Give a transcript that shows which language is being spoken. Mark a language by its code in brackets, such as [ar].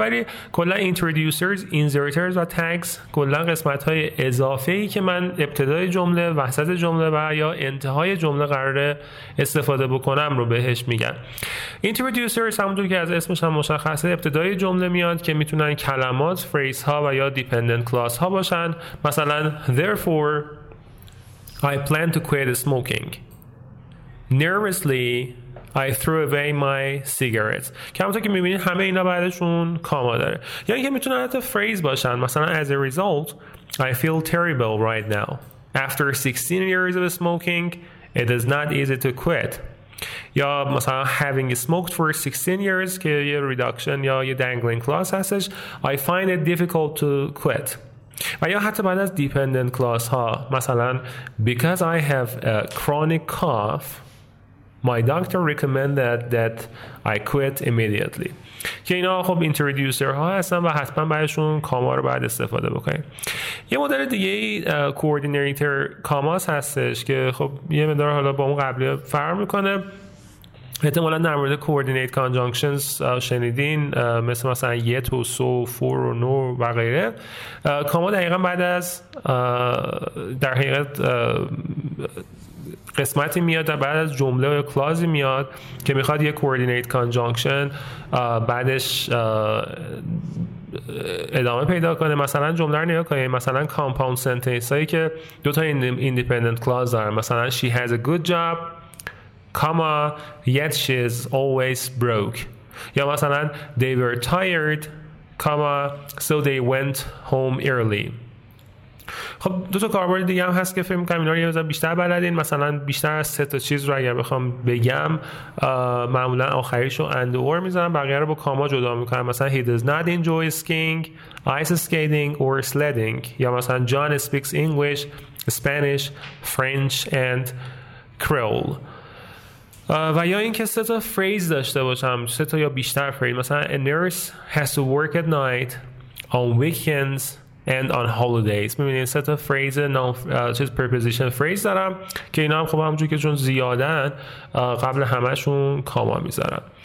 [fa] ولی کلا اینترودوسرز، اینزرترز و تگز کلا قسمت های اضافه ای که من ابتدای جمله، وسط جمله و یا انتهای جمله قرار استفاده بکنم رو بهش میگن. اینترودوسرز همونطور که از اسمش هم مشخصه ابتدای جمله میاد، که میتونن کلمات، فریز ها و یا دیپندنت کلاس ها باشن. [en] مثلا Therefore, I plan to quit smoking. Nervously, I threw away my cigarettes. [fa] که همونطور که میبینید همه اینا بعدشون کاما داره. یا اینکه میتونن حتی فریز باشن. [en] مثلا as a result, I feel terrible right now. After 16 years of smoking, it is not easy to quit. [fa] یا مثلا [en] having smoked for 16 years [fa] که یه reduction یا یه dangling clause هستش. [en] I find it difficult to quit. [fa] و یا حتی بعد از dependent clause ها، مثلا [en] because I have a chronic cough my doctor recommended that I quit immediately، [fa] که اینا خب introducer ها هستن و حتما بعدشون کاما رو بعد استفاده بکنیم. یه مدل دیگه coordinator commas هستش که خب یه مدار حالا با اون قبلی فرق میکنه. احتمالا در مورد coordinate conjunctions شنیدین، مثلا yet و so، for و nor و غیره. کاما دقیقا بعد از در حقیقت قسمتی میاد در بعد از جمله و کلازی میاد که میخواد یه coordinate conjunction بعدش ادامه پیدا کنه. مثلا جمله رو نیا کنیم، مثلا [en] compound sentence [fa] هایی که دوتا [en] independent clause [fa] دارن، مثلا [en] she has a good job comma yet she is always broke، یا مثلا they were tired comma so they went home early. [fa] خب دو تا کاربرد دیگه هم هست که فکر می‌کنم اینا رو یه بیشتر بلدین. مثلا بیشتر از سه تا چیز رو اگر بخوام بگم، معمولا آخریش رو اند اور میذارم، بقیه رو با کاما جدا میکنم. [en] مثلا he does not enjoy skiing, ice skating or sledding، یا مثلا John speaks English, Spanish, French and Creole. [fa] و یا این که سه تا فریز داشته باشم، سه تا یا بیشتر فریز، مثلا [en] a nurse has to work at night, on weekends and on holidays. [fa] می‌بینید سه تا فریز چیز preposition فریز دارم که اینا هم خب همونجور که چون زیادن قبل همشون کاما میذارم.